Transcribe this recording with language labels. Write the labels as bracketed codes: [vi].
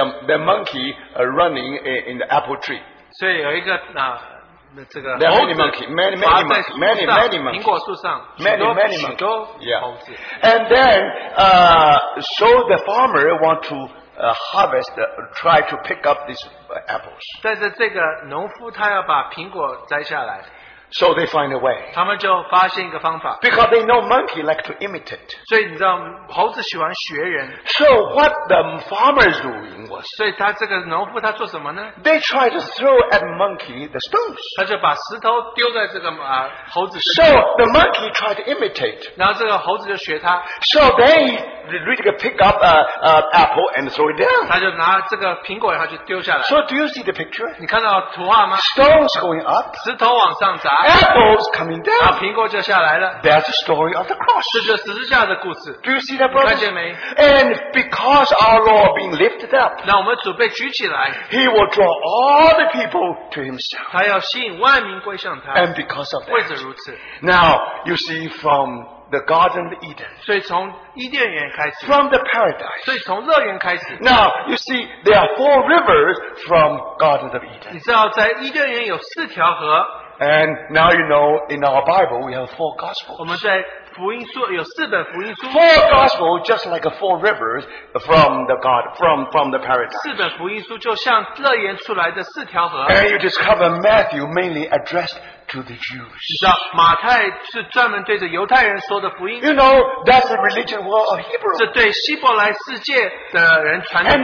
[en] And there's a monkey running in the apple tree. [zh] 所以有一个, [en] there are many monkeys. Yeah. And then, so the farmer wants to harvest, try to pick up these apples. [zh] 但是这个农夫他要把苹果摘下来, [en] so they find a way. Because they know monkey like to imitate. [zh] 所以你知道猴子喜欢学人, [en] so what the farmer is doing was, [zh] 所以他这个农夫他做什么呢? [en] They try to throw at monkey the stones. [zh] 他就把石头丢在这个, 猴子身上, [en] so the monkey tried to imitate. [zh] 然后这个猴子就学他, [en] so they really pick up apple and throw it down. [zh] 他就拿这个苹果然后就丢下来, [en] so do you see the picture? [zh] 你看到图画吗? [en] Stones going up, [zh] 石头往上砸, [en] apples coming down. [zh] 啊,苹果就下来了, [en] that's the story of the cross. [zh] 这就是十字架的故事, [en] do you see that, brothers? [zh] 你看见没? [en] And because our Lord being lifted up, [zh] 那我们主被举起来, [en] he will draw all the people to himself. [zh] 他要吸引万民归向他, [en] and because of that, [zh] 为着如此, [en] now you see from the Garden of Eden, [zh] 所以从伊甸园开始, [en] from the paradise, [zh] 所以从乐园开始, [en] now you see there are 4 rivers from Garden of Eden. [zh] 你知道在伊甸园有四条河, [en] and now you know in our Bible we have 4 gospels. [zh] 我们在福音书有四本福音书, [en] 4 gospels just like a 4 rivers from the God, from the paradise. [zh] 四本福音书就像乐园出来的四条河, [en] and you discover Matthew mainly addressed to the Jews. [zh] 你知道马太是专门对着犹太人说的福音, [en] you know that's the religion world of Hebrew. [zh] 这对希伯来世界的人传的福音,